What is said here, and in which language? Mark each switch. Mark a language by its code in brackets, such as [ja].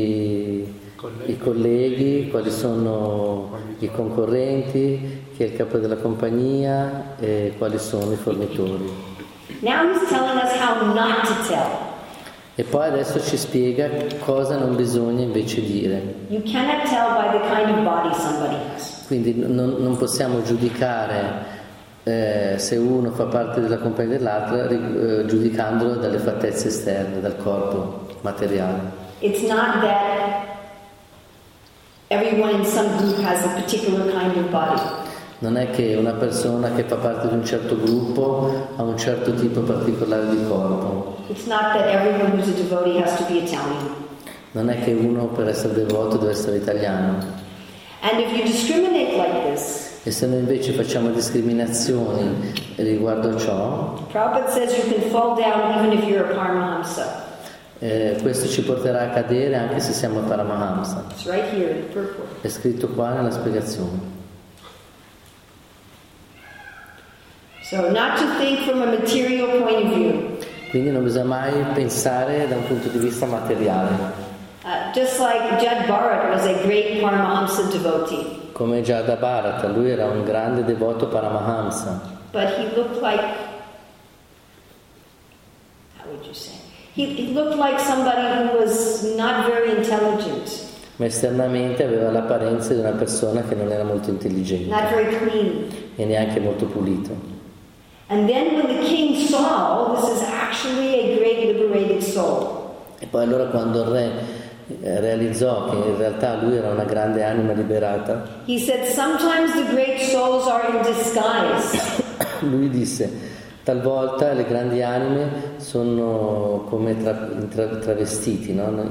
[it] I colleghi, quali sono i concorrenti, chi è il capo della compagnia e quali sono i fornitori. [en] Now he's telling us how not to tell. [it] E poi adesso ci spiega cosa non bisogna invece dire. [en] You cannot tell by the kind of body somebody has. [it] Quindi non possiamo giudicare se uno fa parte della compagnia dell'altra giudicandolo dalle fattezze esterne, dal corpo materiale. [en] It's not that everyone in some group has a particular kind of body. [it] Non è che una persona che fa parte di un certo gruppo ha un certo tipo particolare di corpo. [en] It's not that everyone who's a devotee has to be Italian. [it] Non è che uno per essere devoto deve essere italiano. [en] And if you discriminate like this, [it] e se noi invece facciamo discriminazioni riguardo a ciò, [en] Prabhupada says you can fall down even if you're a Paramahamsa. [it] Questo ci porterà a cadere anche se siamo a Paramahamsa. [en] It's right here in the purport. [it] È scritto qua nella spiegazione. [en] So not to think from a material point of view. [it] Quindi non bisogna mai pensare da un punto di vista materiale. [en] Just like Jad Bharat was a great Paramahamsa devotee. [it] Come Jada Bharat, lui era un grande devoto Paramahamsa. [en] But he looked like, how would you say? He looked like somebody who was not very intelligent. [it] Ma esternamente aveva l'apparenza di una persona che non era molto intelligente. [en] Not very clean. [it] E neanche molto pulito. [en] And then when the king saw this is actually a great liberated soul. [it] E poi allora quando il re realizzò che in realtà lui era una grande anima liberata. [en] He said sometimes the great souls are in disguise. [it] Lui disse talvolta le grandi anime sono come travestiti, no?